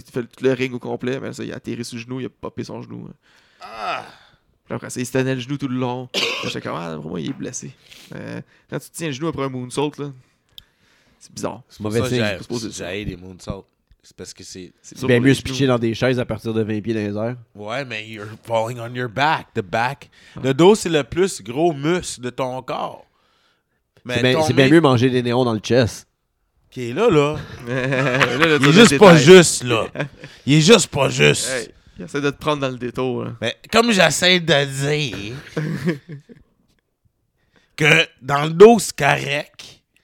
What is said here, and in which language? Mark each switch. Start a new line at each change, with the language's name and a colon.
French: Il fait tout le ring au complet, mais là, ça, il a atterri sur le genou, il a popé son genou. Hein. Ah! Après, il se tenait le genou tout le long. J'étais comme, ah, vraiment, il est blessé. Quand tu tiens le genou après un moonsault, là. C'est bizarre. C'est mauvais signe. J'ai des moonsaults. C'est parce que c'est bien mieux se pitcher dans des chaises à partir de 20 pieds dans les airs. Ouais, mais
English: you're falling on your back. The back. Ah.
French: Le dos, c'est le plus gros muscle de ton corps. Mais c'est bien mieux manger des néons dans le chest. Qui est là, là. Il est juste pas juste, là. Il est juste pas juste. Hey, il essaie de te prendre dans le détour. Hein. Mais comme j'essaie de dire que dans le dos, c'est correct.